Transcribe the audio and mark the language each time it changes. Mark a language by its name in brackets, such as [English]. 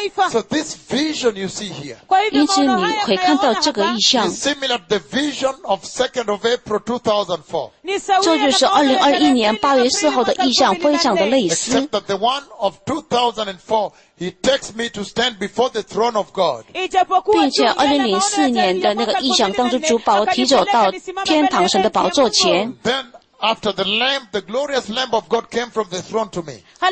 [English] so this vision you see here, is similar to the vision of 2nd of April 2004. [Chinese] 这就是2021年 8月4号的意象, 非常的类似, [English] except that the one of 2004, he takes me to stand before the throne of God. [Chinese] 并且2004年的那个意象当中，主把我提走到天堂神的宝座前。 [English] Then after the lamb, the glorious lamb of God came from the throne to me.